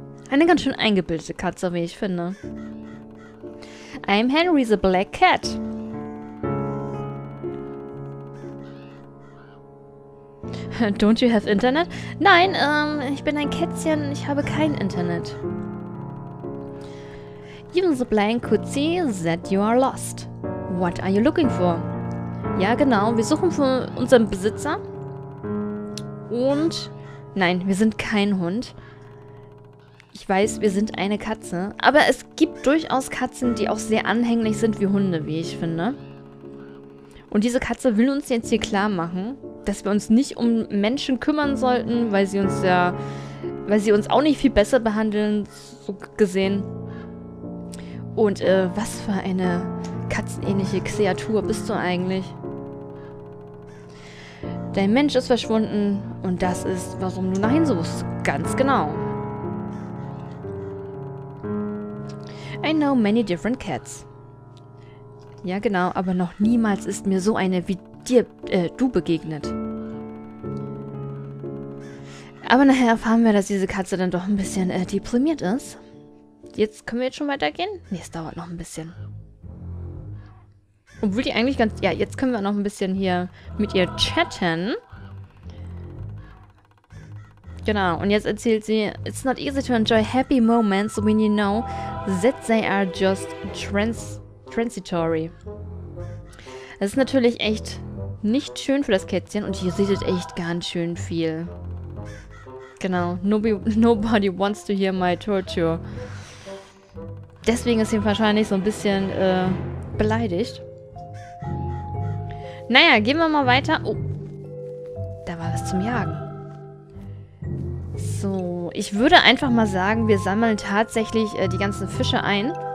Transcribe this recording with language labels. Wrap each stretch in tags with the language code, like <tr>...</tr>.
<de>Eine ganz schön eingebildete Katze, wie ich finde.</de> <en>I'm Henry the Black Cat. Don't you have Internet?</en> <de>Nein, ich bin ein Kätzchen, ich habe kein Internet.</de> <en>Even the blind could see that you are lost. What are you looking for?</en> <de>Ja, genau, wir suchen für unseren Besitzer. Und, nein, wir sind kein Hund. Ich weiß, wir sind eine Katze. Aber es gibt durchaus Katzen, die auch sehr anhänglich sind wie Hunde, wie ich finde. Und diese Katze will uns jetzt hier klar machen, dass wir uns nicht um Menschen kümmern sollten, weil sie uns ja, weil sie uns auch nicht viel besser behandeln, so gesehen. Und was für eine katzenähnliche Kreatur bist du eigentlich? Dein Mensch ist verschwunden und das ist, warum du dahin suchst. Ganz genau.</de> <en>I know many different cats.</en> <de>Ja, genau, aber noch niemals ist mir so eine wie dir, du begegnet. Aber nachher erfahren wir, dass diese Katze dann doch ein bisschen deprimiert ist. Jetzt können wir jetzt schon weitergehen? Nee, es dauert noch ein bisschen. Obwohl die eigentlich ganz... Ja, jetzt können wir noch ein bisschen hier mit ihr chatten. Genau, und jetzt erzählt sie...</de> <en>It's not easy to enjoy happy moments when you know that they are just transitory.</en> <de>Das ist natürlich echt nicht schön für das Kätzchen und hier redet echt ganz schön viel.</de> <en>Genau, nobody wants to hear my torture.</en> <de>Deswegen ist sie wahrscheinlich so ein bisschen beleidigt. Naja, gehen wir mal weiter. Oh, da war was zum Jagen. So, ich würde einfach mal sagen, wir sammeln tatsächlich die ganzen Fische ein.</de>